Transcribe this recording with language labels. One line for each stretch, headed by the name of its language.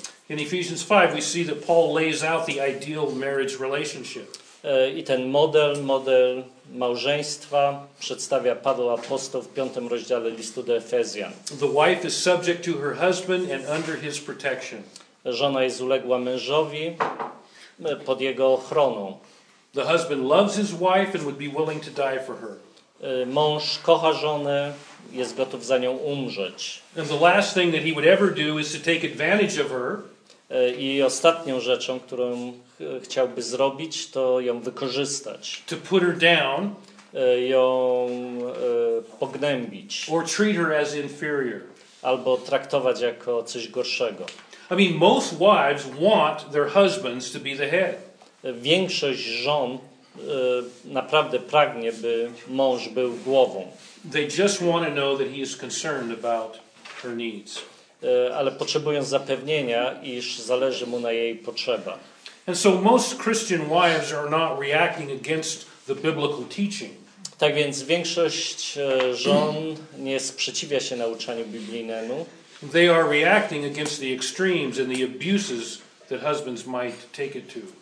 English: In Ephesians 5 we see that Paul lays out the ideal marriage relationship.
Polish: I ten model małżeństwa przedstawia Paweł apostoł w 5 rozdziale listu do Efezjan.
English: The wife is subject to her husband and under his protection.
Polish: Żona jest uległa mężowi pod jego ochroną.
English: The husband loves his wife and would be willing to die for her.
Polish: Mąż kocha żonę, jest gotów za nią umrzeć.
English: And the last thing that he would ever do is to take advantage of her.
Polish: I ostatnią rzeczą, którą chciałby zrobić, to ją wykorzystać.
English: To put her down.
Polish: Ją pognębić.
English: Or treat her as inferior.
Polish: Albo traktować jako coś gorszego.
English: I mean, most wives want their husbands to be the head.
Polish: Większość żon naprawdę pragnie, by mąż był głową.
English: They just want to know that he is concerned about her needs.
Polish: Ale potrzebują zapewnienia, iż zależy mu na jej potrzebach.
English: And so most Christian wives are not reacting against the biblical teaching.
Polish: Tak więc większość żon nie sprzeciwia się nauczaniu biblijnemu.
English: They are reacting against the extremes and the abuses that husbands might take it to.